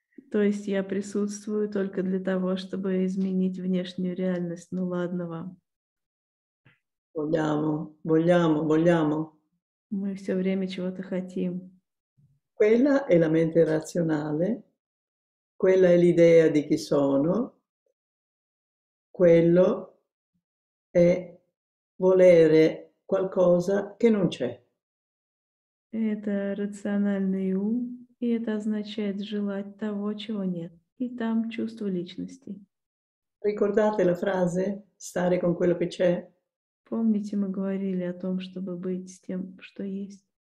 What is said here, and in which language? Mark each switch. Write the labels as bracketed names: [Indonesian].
[Russian] То есть я присутствую только для того, чтобы изменить внешнюю реальность. Ну ладно вам. [Italian] Vogliamo, vogliamo, [Russian] Мы все время чего-то хотим. [Italian] vogliamo. Quella è la mente razionale, quella è l'idea di chi sono, quello è volere qualcosa che non c'è. [Russian] Это рациональный ум, и это означает желать того, чего нет. И там чувство личности. [Italian] Ricordate la frase stare con quello che c'è? [Russian] Помните, мы говорили о том, чтобы быть с тем, что есть.